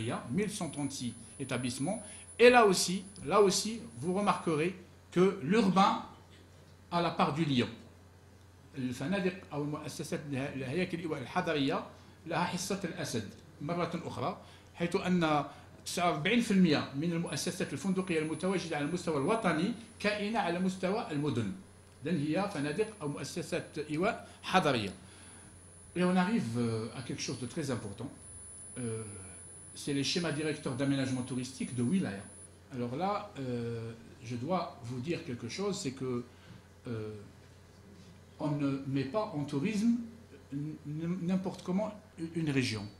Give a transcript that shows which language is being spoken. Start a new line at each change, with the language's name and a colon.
French: 1136 établissements. Et là aussi, vous remarquerez que l'urbain à la part du lion. Le fanadiq ou la
Arabic: مؤسسات الهياكل الحضريه لها حصه الاسد مره اخرى حيث ان 49% من المؤسسات الفندقيه المتواجده على المستوى الوطني كائنه على مستوى المدن.
French: Donc il y a fanadiq ou
Arabic: مؤسسات ايواء حضريه.
French: Et on arrive à quelque chose de très important. C'est les schémas directeurs d'aménagement touristique de wilaya. Alors là, je dois vous dire quelque chose, c'est que on ne met pas en tourisme n'importe comment une région.